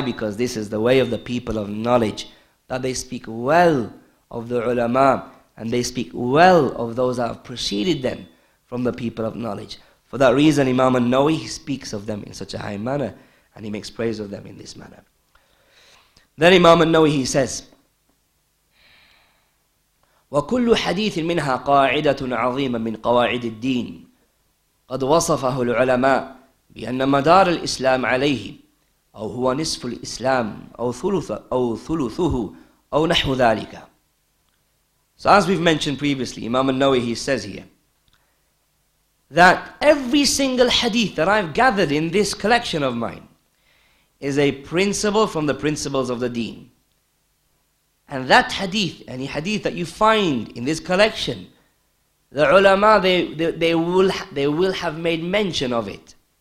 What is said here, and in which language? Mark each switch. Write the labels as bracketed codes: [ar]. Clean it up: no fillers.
[en] Because this is the way of the people of knowledge, that they speak well of the ulama, and they speak well of those that have preceded them from the people of knowledge. For that reason, Imam An-Nawawi, he speaks of them in such a high manner, and he makes praise of them in this manner. Then Imam An-Nawawi, he says, [ar] وكل حديث منها قاعدة عظيمة من قواعد الدين قد وصفه العلماء بأن مدار الإسلام عليه أو هو نصف الإسلام أو ثلثه أو نحو ذلك. [en] So as we've mentioned previously, Imam An-Nawawi, he says here that every single hadith that I've gathered in this collection of mine is a principle from the principles of the deen. And that hadith, any hadith that you find in this collection, the ulama, they will have made mention of it.